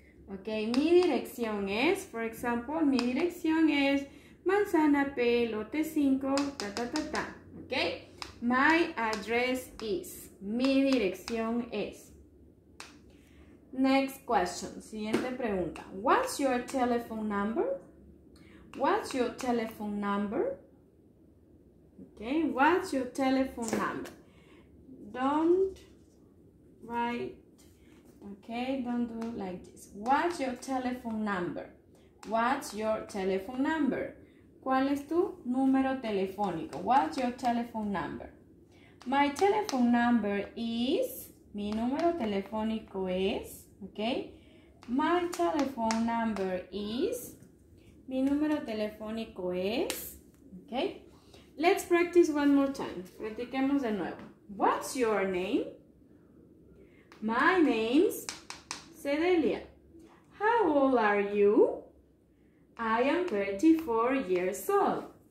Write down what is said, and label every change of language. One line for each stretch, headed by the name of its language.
Spanish: Ok, mi dirección es,
English: for example,
Spanish: mi dirección es Manzana P, Lote 5, ta, ta, ta, ta.
English: Ok, my address is,
Spanish: mi dirección es.
English: Next question,
Spanish: siguiente pregunta.
English: What's your telephone number? What's your telephone number? Ok, what's your telephone number? Don't write. Okay, don't do like this. What's your telephone number? What's your telephone number?
Spanish: ¿Cuál es tu número telefónico?
English: What's your telephone number? My telephone number is...
Spanish: Mi número telefónico es... Okay?
English: My telephone number is...
Spanish: Mi número telefónico es...
English: Okay? Let's practice one more time.
Spanish: Practiquemos de nuevo.
English: What's your name? My name's Sedelia. How old are you? I am 34 years old.